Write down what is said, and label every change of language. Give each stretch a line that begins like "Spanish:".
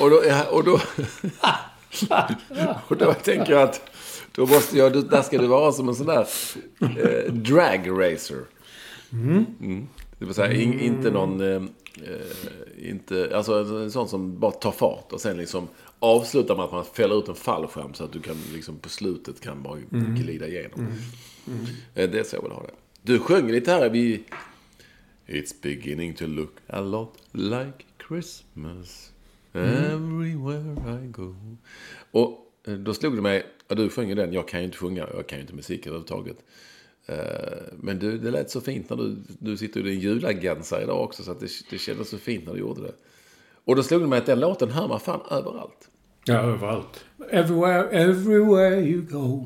Swedish: Och då, och då, och då tänker jag att då måste jag, där ska du vara som en sån där drag racer. Mm. Mm. Det vill säga inte någon, inte, alltså en sån som bara tar fart och sen liksom avsluta med att man fäller ut en fallskärm så att du kan liksom på slutet kan bara glida igenom. Mm. Mm. Det är så jag vill ha det. Du sjöng lite här. Vi...
English: It's beginning to look a lot like Christmas everywhere I go.
Swedish: Och då slog det mig, du sjöng den, jag kan ju inte sjunga, jag kan ju inte musik överhuvudtaget. Men du, det lät så fint när du sitter i din julagensa idag också, så att det kändes så fint när du gjorde det. Och då slog det mig att den låten hör man fan överallt. Ja, överallt.
English: Everywhere you go.